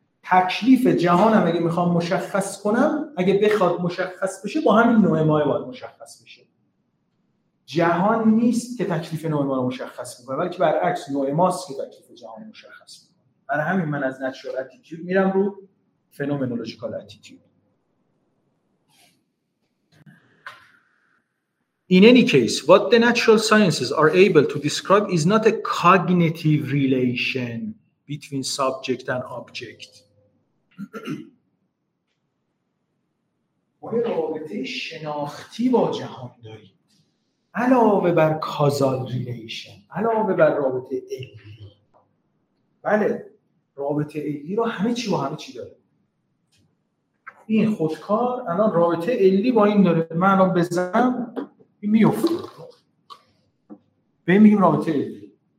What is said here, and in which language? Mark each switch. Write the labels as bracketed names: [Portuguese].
[Persian] تکلیف جهانم اگه میخوام مشخص کنم، اگه بخواد مشخص بشه، با همین نوع ما باید مشخص بشه. جهان نیست که تکلیف نوع ما رو مشخص میکنه، بلکه برعکس، نوع ماست که تکلیف جهان مشخص میکنه. برای همین من از نچرال اتیتیود میرم رو فنومنولوژیکال اتیتیود. [English] In any case, what the natural sciences are able to describe is not a cognitive relation between subject and object. [Persian] ما رابطه شناختی با جهان داریم علاوه بر کازال ریلیشن، علاوه بر رابطه علی. بله، رابطه علی رو همه چی با همه چی داره. این خودکار الان رابطه علی با این داره، من الان بزنم این میفته، بهم میگیم رابطه علی.